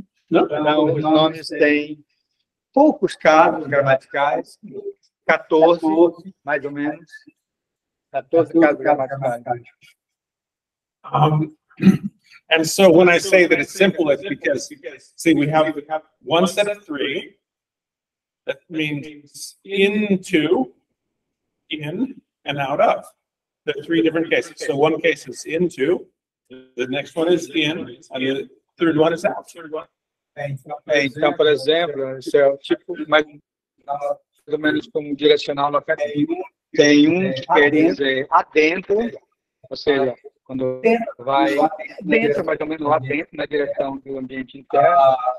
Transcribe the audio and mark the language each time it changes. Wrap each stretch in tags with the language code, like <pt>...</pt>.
<pt>Não, os nomes têm poucos casos gramaticais, 14, mais ou menos, 14 casos gramaticais.</pt> <en>And so when I say that it's simple, it's because, see, we have one set of three, that means into, in, and out of. The three different cases. So one case is into. The next one is in, and the third one is out.</en> <pt>Então, por exemplo, isso é tipo, mais ou menos como direcional no afetivo. Tem um que quer dizer adentro, ou seja, quando vai dentro, mais ou menos lá dentro, na direção do ambiente interno.</pt>